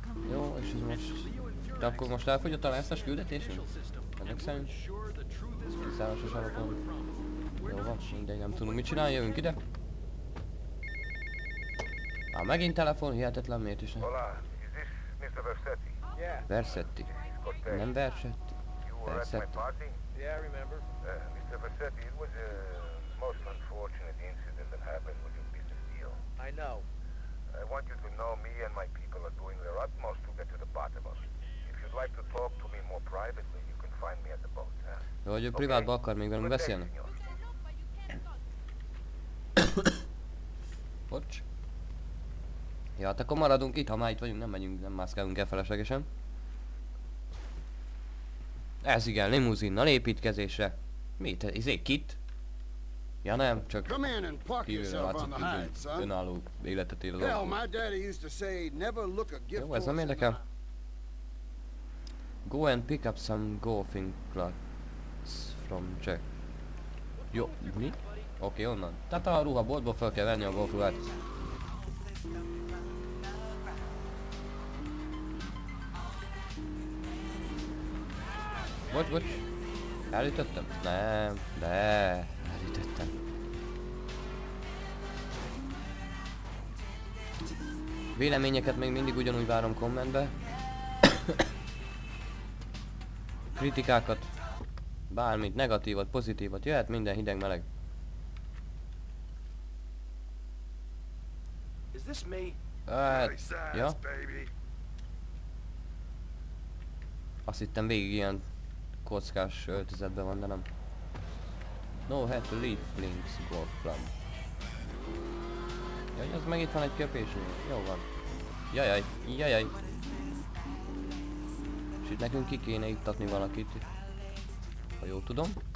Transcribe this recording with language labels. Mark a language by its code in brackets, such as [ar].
[hu] Jó, és ez most... De akkor most elfogyott a lesztes küldetésünk? Ennek szerint... Kiszállásos állapon... Jó van, mindegy, nem tudunk mit csinálni, jövünk ide. Á, megint telefon, hihetetlen, miért is ne? Versetti. Nem Versetti. Versetti. [en] Versetti, it was the most unfortunate incident that happened with your business deal. I know. I want you to know me and my people are doing their utmost to get to the bottom of it. If you'd like to talk to me more privately, you can find me at the boat. [hu] Jó, hogy ő privátba akar még velünk beszélni. Bocs. Ja, hát akkor maradunk itt, ha már itt vagyunk, nem megyünk, nem mászkálunk el feleslegesen. Ez igen, limuzinnal építkezésre. Mit? Ez egy kit? Ja nem, csak kívülről látszik, hogy önálló életet él az alkohol. Jó, ez nem érdekel. [en] Go and pick up some golfing clubs from Jack. [hu] Jó, mi? Oké, onnan. Tehát a ruhaboltból fel kell venni a golfruhát. Bocs, bocs. Elütöttem? Nem, de elütöttem. Véleményeket még mindig ugyanúgy várom kommentbe. Kritikákat, bármit, negatívat, pozitívat, jöhet minden hideg, meleg. [en] Is this me? [hu] Ja. Azt hittem végig ilyen kockás öltözetben van, de nem. [en] No head to leave Flink's golf club. [hu] Jaj, az meg itt van egy köpésnél. Jó van. Jajaj, jajaj. És itt nekünk ki kéne ittatni valakit. Ha jól tudom.